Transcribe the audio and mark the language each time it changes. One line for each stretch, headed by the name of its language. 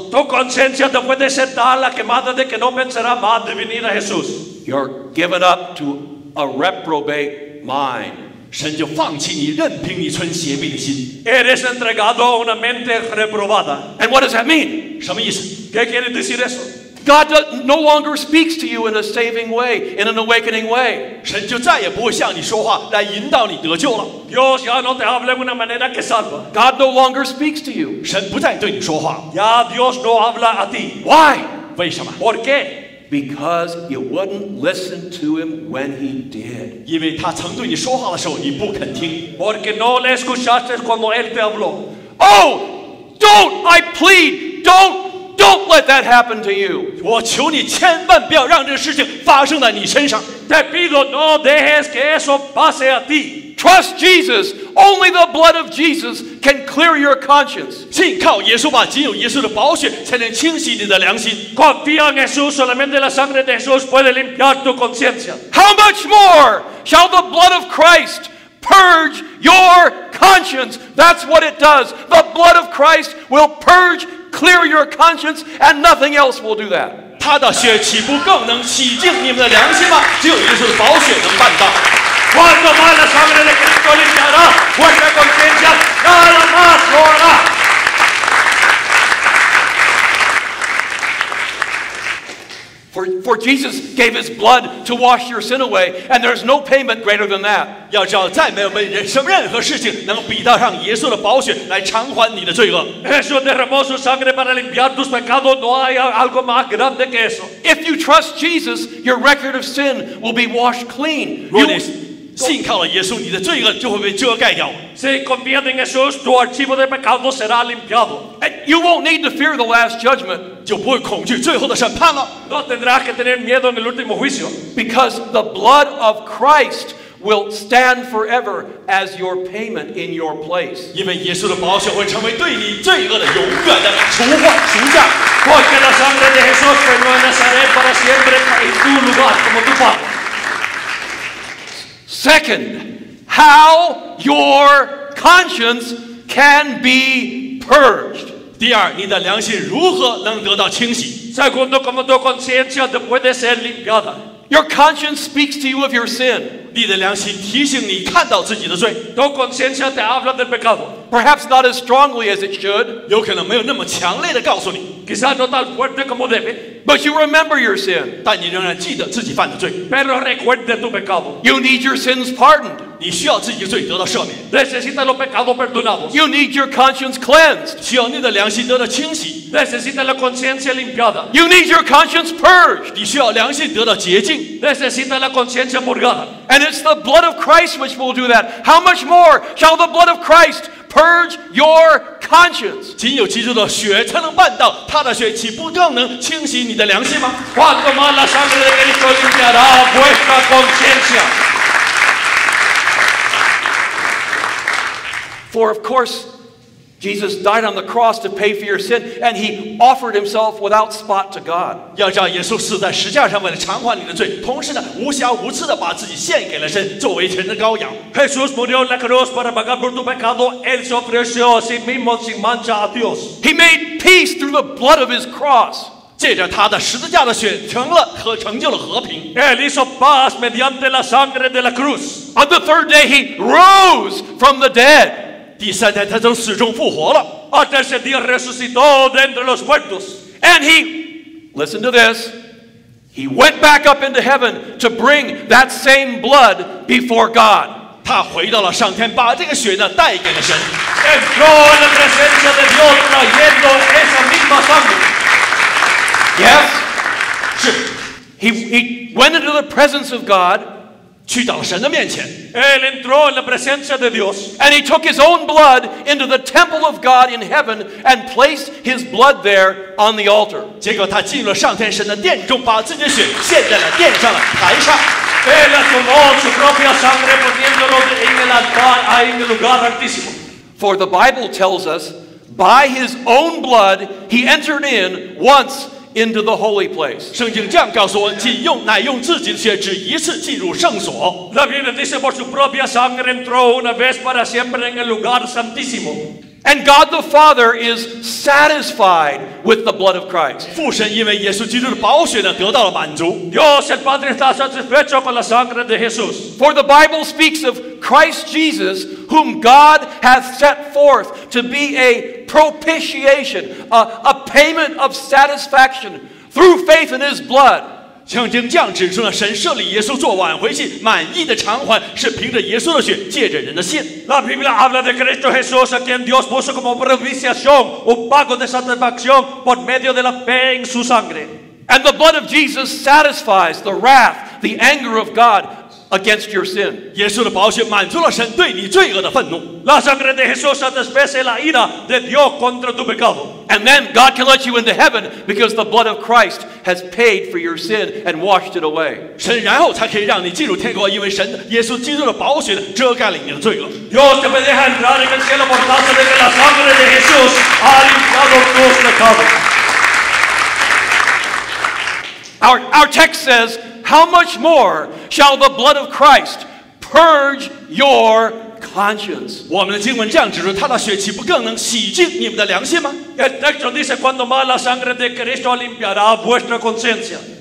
Spanish: Tu conciencia te puede sentar la quemada de que no pensará más de venir a Jesús.
English: You're given up to a reprobate mind.
Chinese: 神就放弃你，任凭你存邪僻的心。
Spanish: Eres entregado a una mente reprobada.
English: And what does that mean?
Chinese: 什么意思?
Spanish: ¿Qué quiere decir eso?
English: God no longer speaks to you in a saving way, in an awakening way.
Chinese: 神就再也不会向你说话，来引导你得救了。
Spanish: Dios ya no te habla de una manera que salva.
English: God no longer speaks to you.
Chinese: 神不再对你说话。
Spanish: Ya Dios no habla a ti.
English: Why?
Chinese: 为什么?
Spanish: ¿Por qué?
English: Because you wouldn't listen to him when he did.
Chinese: 因为他曾对你说话的时候，你不肯听。
Spanish: Porque no le escuchaste cuando él te habló.
English: Oh, don't, I plead, don't let that happen to you.
Chinese: 我求你千万不要让这事情发生在你身上。
Spanish: Te pido no dejes que eso pase a ti.
English: Trust Jesus. Only the blood of Jesus can clear your conscience.
Chinese: 信靠耶稣吧，仅有耶稣的宝血才能清洗你的良心。
Spanish: Confía en Jesús, solamente la sangre de Jesús puede limpiar tu conciencia.
English: How much more shall the blood of Christ purge your conscience? That's what it does. The blood of Christ will purge, clear your conscience, and nothing else will do that.
Chinese: 他的血岂不更能洗净你们的良心吗？只有耶稣的宝血能办到。
Spanish: Cuando más la sangre de Cristo limpiará vuestra conciencia, nada más lo hará.
English: For Jesus gave his blood to wash your sin away, and there's no payment greater than that.
Chinese: 要知道再没有人生任何事情能比得上耶稣的宝血来偿还你的罪恶。
Spanish: Jesús derramó su sangre para limpiar tus pecados. No hay algo más grande que eso.
English: If you trust Jesus, your record of sin will be washed clean.
Chinese: 如果你信靠了耶稣，你的罪恶就会被遮盖掉。
Spanish: Se convierte en Jesús, tu archivo de pecados será limpiado.
English: And you won't need to fear the last judgment.
Chinese: 就不会恐惧最后的审判了。
Spanish: No tendrás que tener miedo en el último juicio.
English: Because the blood of Christ will stand forever as your payment in your place.
Chinese: 因为耶稣的宝血会成为对你罪恶的永远的除患赎价。
Spanish: Porque la sangre de Jesús permanecerá para siempre en tu lugar como tu padre.
English: Second, how your conscience can be purged.
Chinese: 第二，你的良心如何能得到清洗？
Spanish: Segundo, cómo tu conciencia te puede ser limpiada.
English: Your conscience speaks to you of your sin.
Chinese: 你的良心提醒你看到自己的罪。
Spanish: Tu conciencia te habla del pecado.
English: Perhaps not as strongly as it should.
Chinese: 有可能没有那么强烈的告诉你。
Spanish: Quizás no tan fuerte como debe.
English: But you remember your sin.
Chinese: 但你仍然记得自己犯的罪。
Spanish: Pero recuerda tu pecado.
English: You need your sins pardoned.
Chinese: 你需要自己的罪得到赦免。
Spanish: Necesitas los pecados perdonados.
English: You need your conscience cleansed.
Chinese: 需要你的良心得到清洗。
Spanish: Necesitas la conciencia limpiada.
English: You need your conscience purged.
Chinese: 你需要良心得到洁净。
Spanish: Necesitas la conciencia purgada.
English: And it's the blood of Christ which will do that. How much more shall the blood of Christ purge your conscience.
Chinese: 仅有基督的血才能办到，他的血岂不更能清洗你的良心吗？
Spanish: Cuanto más la sangre de Cristo limpiará vuestra conciencia.
English: For of course, Jesus died on the cross to pay for your sin, and he offered himself without spot to God.
Chinese: 要叫耶稣死在十架上为了偿还你的罪，同时呢，无瑕无疵地把自己献给了神，作为神的羔羊。
Spanish: Jesús murió en la cruz para pagar por tu pecado. Él se ofreció a sí mismo sin mancha a Dios.
English: He made peace through the blood of his cross.
Chinese: 借着他的十字架的血，成了和成就了和平。
Spanish: Él hizo paz mediante la sangre de la cruz.
English: On the third day, he rose from the dead.
Chinese: 第三天，他从死中复活了。
Spanish: Al tercer día resucitó de entre los muertos.
English: And he, listen to this, he went back up into heaven to bring that same blood before God.
Chinese: 他回到了上天，把这个血呢带给了神。
Spanish: Entró en la presencia de Dios trayendo esa misma sangre.
English: Yes,
Chinese: 是
English: he went into the presence of God.
Chinese: 去到神的面前。
Spanish: Él entró en la presencia de Dios.
English: And he took his own blood into the temple of God in heaven and placed his blood there on the altar.
Chinese: 结果他进入了上天神的殿中，把自己的血献在了殿上的台上。
Spanish: Él tomó su propia sangre poniéndolo en el altar ahí en el lugar altísimo.
English: For the Bible tells us, by his own blood he entered in once. Into the holy place.
Chinese: 圣经这样告诉我，仅用乃用自己的血，只一次进入圣所。
Spanish: La Biblia dice por su propia sangre entró una vez para siempre en el lugar santísimo.
English: And God the Father is satisfied with the blood of Christ.
Chinese: 父神因为耶稣基督的宝血呢，得到了满足。
Spanish: Dios el Padre está satisfecho con la sangre de Jesús.
English: For the Bible speaks of Christ Jesus, whom God hath set forth to be aPropitiation, a payment of satisfaction through faith in His blood.
Chinese: 圣经这样指出了神设立耶稣做挽回祭，满意的偿还是凭着耶稣的血，借着人的信。
Spanish: La Biblia habla de Cristo Jesús a quien Dios puso como propiciación, un pago de satisfacción por medio de la fe en su sangre.
English: And the blood of Jesus satisfies the wrath, the anger of God. Against your sin,
Chinese: 耶稣的宝血满足了神对你罪恶的愤怒。
Spanish: La sangre de Jesús satisface la ira de Dios contra tu pecado.
English: And then God can let you into heaven because the blood of Christ has paid for your sin and washed it away.
Chinese: 神然后才可以让你进入天国，因为神耶稣基督的宝血遮盖了你的罪恶。
Spanish: Dios te puede entrar en el cielo por causa de que la sangre de Jesús ha limpiado tus pecados.
English: Our text says. How much more shall the blood of Christ purge your conscience?
Chinese: 我们的经文这样指出，他的血岂不更能洗净你们的良心吗？
Spanish: El texto dice cuando más la sangre de Cristo limpiará vuestra conciencia.